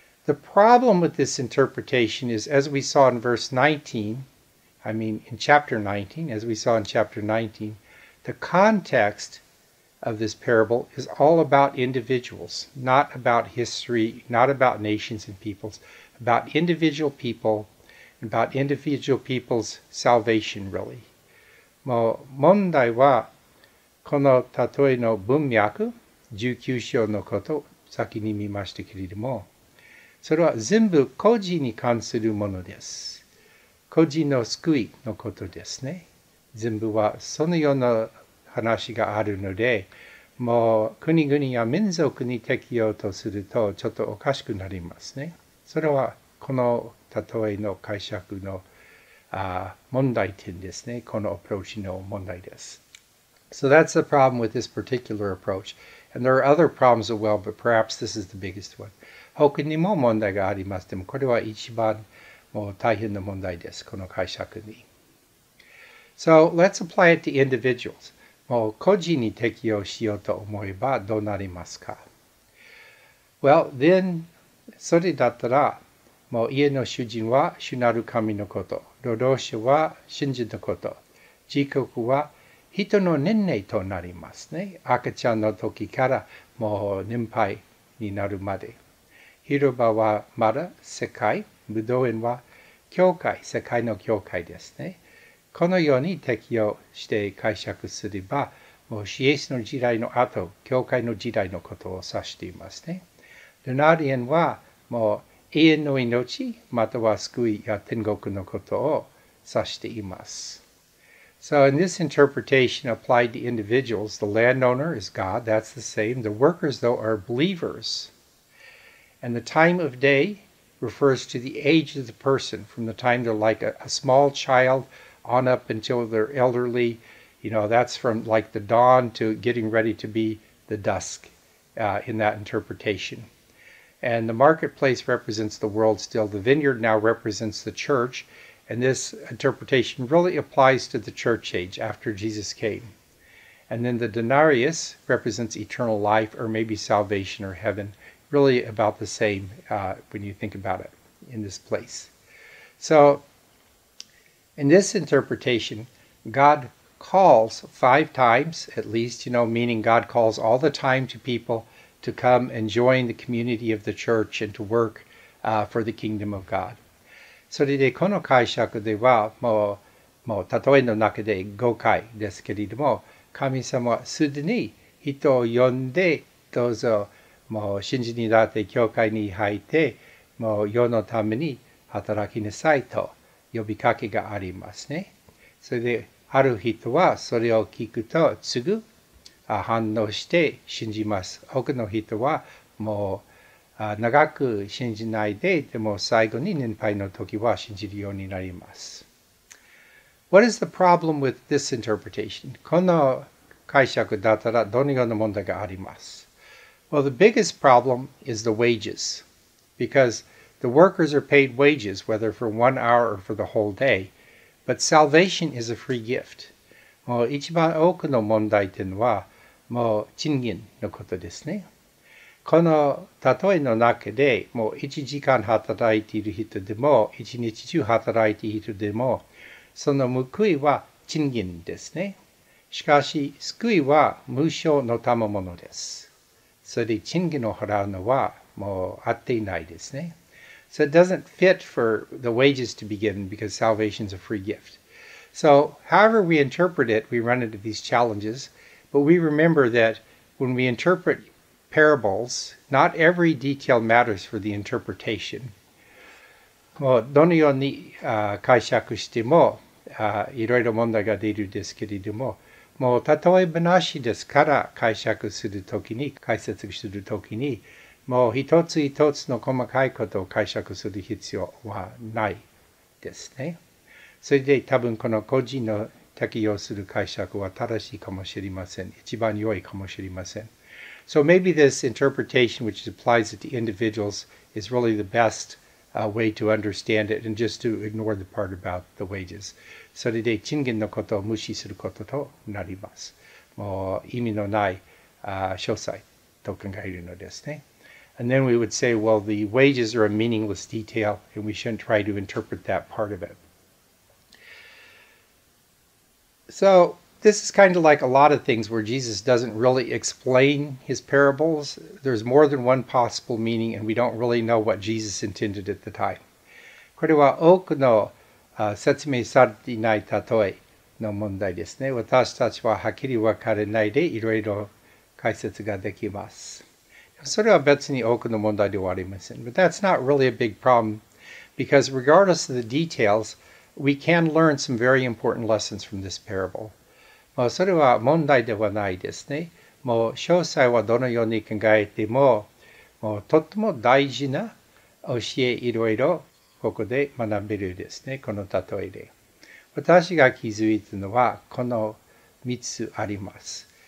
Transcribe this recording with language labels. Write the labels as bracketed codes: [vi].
[en] The problem with this interpretation is, as we saw in verse 19, I mean in chapter 19, as we saw in chapter 19, the context of this parable is all about individuals, not about history, not about nations and peoples, about individual people, about individual people's salvation, really. [ja] もう問題はこの例えの文脈、19章のこと先に見ましたけれども、それは全部個人に関するものです。個人の救いのことですね。全部はそのような話があるので、もう国々や民族に適用とするとちょっとおかしくなりますね。それはこの例えの解釈の問題点ですね。このアプローチの問題です。 [en] So that's the problem with this particular approach. And there are other problems as well, but perhaps this is the biggest one. [ja] 他にも問題があります。でもこれは一番もう大変な問題です。この解釈に。 [en] So let's apply it to individuals. [ja] もう個人に適用しようと思えばどうなりますか? [en] Well, then, [ja] それだったら、もう家の主人は主なる神のこと、労働者は信じたこと、時刻は人の年齢となりますね。赤ちゃんの時からもう年配になるまで。広場はまだ世界、ブドウ園は教会、世界の教会ですね。このように適用して解釈すれば、もうシエスの時代の後、教会の時代のことを指していますね。ルナリエンはもう永遠の命、または救いや天国のことを指しています。 [en] So in this interpretation applied to individuals, the landowner is God, that's the same. The workers, though, are believers. And the time of day refers to the age of the person, from the time they're like a small child on up until they're elderly. You know, that's from like the dawn to getting ready to be the dusk in that interpretation. And the marketplace represents the world still. The vineyard now represents the church. And this interpretation really applies to the church age after Jesus came. And then the denarius represents eternal life or maybe salvation or heaven. Really about the same when you think about it in this place. So in this interpretation, God calls five times at least, you know, meaning God calls all the time to people to come and join the community of the church and to work for the kingdom of God. [ja] それでこの解釈ではもう例えの中で5回ですけれども、神様はすでに人を呼んで、どうぞもう信じに立って教会に入って、もう世のために働きなさいと呼びかけがありますね。それである人はそれを聞くと、すぐ反応して信じます。他の人はもう長く信じないで、でも最後に年配の時は信じるようになります。 [en] What is the problem with this interpretation? [ja] この解釈だったらどのような問題があります? [en] Well, the biggest problem is the wages. Because the workers are paid wages, whether for 1 hour or for the whole day. But salvation is a free gift. [ja] もう一番多くの問題点は、もう賃金のことですね。この例えの中で、もう1時間働いている人でも、1日中働いている人でも、その報いは賃金ですね。しかし、救いは無償の賜物です。それで賃金を払うのはもう合っていないですね。 [en] So it doesn't fit for the wages to begin because salvation is a free gift. So however we interpret it, we run into these challenges. But we remember that when we interpret parables, not every detail matters for the interpretation. [ja] もうどのように解釈しても、いろいろ問題が出るんですけれども、もう例え話ですから解釈するときに、解説するときに、もう一つ一つの細かいことを解釈する必要はないですね。それで多分この個人の適用する解釈は正しいかもしれません。一番良いかもしれません。 [en] So maybe this interpretation, which applies it to individuals, is really the best way to understand it and just to ignore the part about the wages. [ja] それで賃金のことを無視することとなります。もう意味のない詳細と考えるのですね。 [en] And then we would say, well, the wages are a meaningless detail, and we shouldn't try to interpret that part of it. So this is kind of like a lot of things where Jesus doesn't really explain his parables. There's more than one possible meaning, and we don't really know what Jesus intended at the time. [ja] これは多くの説明されていない例えの問題ですね。私たちははっきり分からないでいろいろ解説ができます。それは別に多くの問題ではありません。 [en] But that's not really a big problem, because regardless of the details, we can learn some very important lessons from this parable. [ja] もうそれは問題ではないですね。もう詳細はどのように考えても、もうとても大事な教えいろいろここで学べるですね、この例えで。私が気づいたのはこの3つあります。